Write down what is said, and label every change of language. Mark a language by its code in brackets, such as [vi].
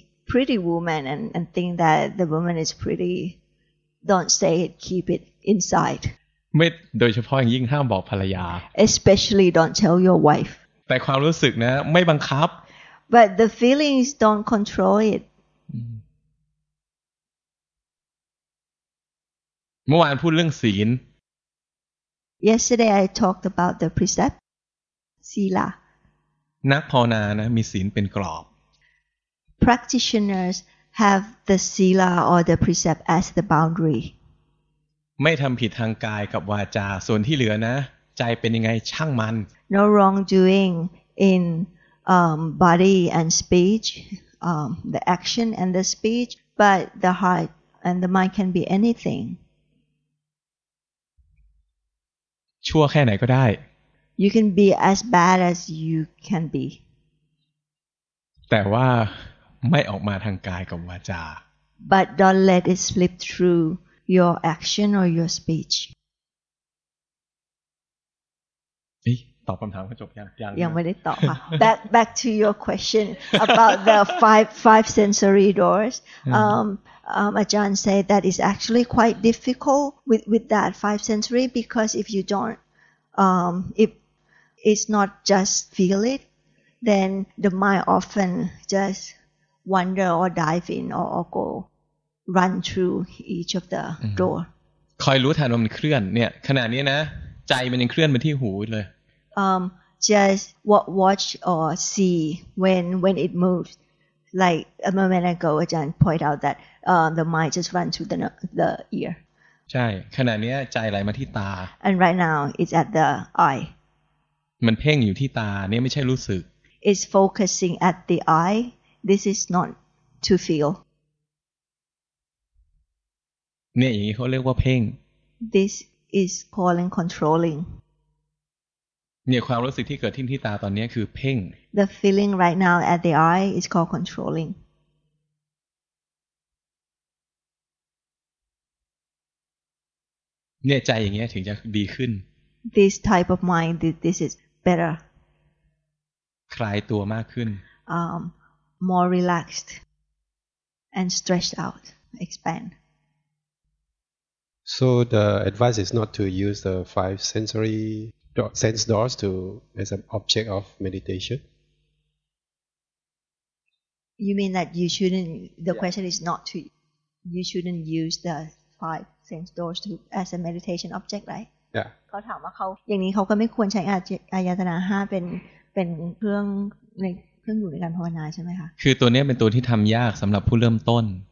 [en] pretty woman and think that the woman is pretty, don't say it, keep it inside. [th] ไม่โดยเฉพาะยิ่งห้ามบอกภรรยา [en] Especially don't tell your wife. [th] แต่ความรู้สึกนะไม่บังคับ [en] But the feelings don't control it. [th] เมื่อวานพูดเรื่องศีล [en] Yesterday I talked about the precept. ศีล [th] นักภาวนานะมีศีลเป็นกรอบ [en] Practitioners have the sila or the precept as the boundary. [th] ไม่ทำผิดทางกายกับวาจาส่วนที่เหลือนะใจเป็นยังไงช่างมัน [en] No wrongdoing in body and speech, the action and the speech, but the heart and the mind can be anything. [th] ชั่วแค่ไหนก็ได้ [en] You can be as bad as you can be. [th] แต่ว่าไม่ออกมาทางกายกับวาจา [en] But don't let it slip through your action or your speech. [th] ตอบคำถามก็จบยัง ยังไม่ได้ตอบค่ะ [en] Back to your question about the five sensory doors. Ajahn said that is actually quite difficult with that five sensory because if you don't if it's not just feel it, then the mind often just wander or dive in or go run through each of the door. [th] คอยรู้ทันว่ามันเคลื่อนเนี่ยขณะนี้นะใจมันยังเคลื่อนไปที่หูเลย [en] Just watch or see when it moves. Like a moment ago, Ajahn pointed out that the mind just run through the ear. [th] ใช่ขณะนี้ใจไหลมาที่ตา [en] And right now, it's at the eye. [th] มันเพ่งอยู่ที่ตาเนี่ยไม่ใช่รู้สึก [en] It's focusing at the eye. This is not to feel. [th] เนี่ยอย่างนี้เขาเรียกว่าเพ่ง [en] This is calling controlling. [th] เนี่ยความรู้สึกที่เกิดขึ้นที่ตาตอนนี้คือเพ่ง [en] The feeling right now at the eye is called controlling. [th] เนี่ยใจอย่างเงี้ยถึงจะดีขึ้น [en] This type of mind, this is better. [th] คลายตัวมากขึ้น [en] More relaxed and stretched out, expand. So the advice is not to use the five sensory sense doors to as an object of meditation. You mean that you shouldn't? The yeah. question is not to. You shouldn't use the five sense doors to as a meditation object, right? [th] เขาถามว่าเขาอย่างนี้เขาก็ไม่ควรใช้อายตนะ5เป็นเครื่องในเครื่องอยู่ในการภาวนาใช่ไหมคะ คือตัวนี้เป็นตัวที่ทำยากสำหรับผู้เริ่มต้น